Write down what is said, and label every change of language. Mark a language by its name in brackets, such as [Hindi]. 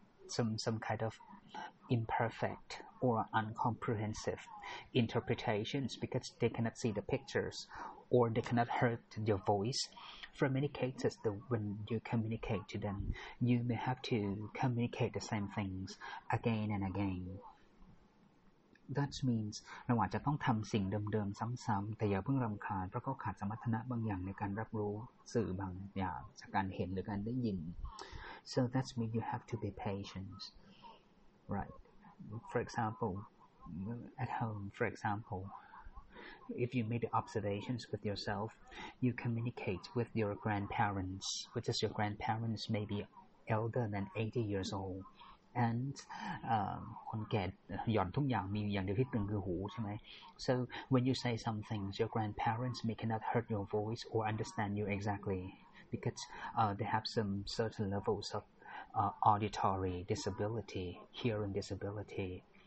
[English] some kind of imperfect or uncomprehensive interpretations because they cannot see the pictures or they cannot hear your voice. For many cases, when you communicate to them, you may have to communicate the same things again and again. That means [Thai] เราอาจจะต้องทำสิ่งเดิมๆซ้ำๆแต่อย่าเพิ่งรำคาญเพราะเขาขาดสมรรถนะบางอย่างในการรับรู้สื่อบางอย่างจากการเห็นหรือการได้ยิน [English] So that means you have to be patient, right? For example, at home, for example. If you made the observations with yourself, you communicate with your grandparents, which is your grandparents may be elder than 80 years old. And [Thai] คนแก่หย่อนทุกอย่างมีอย่างเดียวที่ตึงคือหูใช่ไหม [English] So when you say some things, your grandparents may cannot hear your voice or understand you exactly because they have some certain levels of auditory disability, hearing disability.